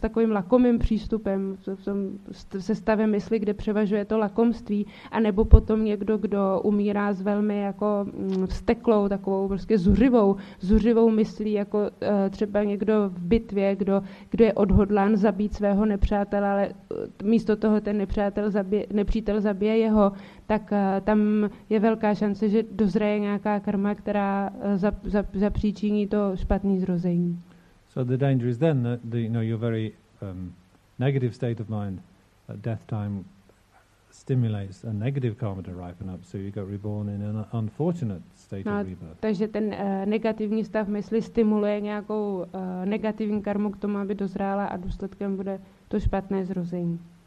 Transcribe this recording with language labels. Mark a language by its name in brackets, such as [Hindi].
[Czech] lakomým přístupem se stavem mysli, kde převažuje to lakomství, a nebo potom někdo, kdo umírá s velmi jako vzteklou, takovou prostě zuřivou myslí, jako třeba někdo v bitvě, kdo je odhodlán zabít svého nepřátele, ale místo toho ten nepřítel zabije jeho, tak tam je velká šance, že dozraje nějaká karma, která zapříčiní to špatný zrození. [English] So the danger is then that your very negative state of mind at death time stimulates a negative karma to ripen up, so you get reborn in an unfortunate state of rebirth. [Czech] Takže ten negativní stav mysli stimuluje nějakou negativní karmu k tomu, aby dozrála, a důsledkem bude to špatné zrození.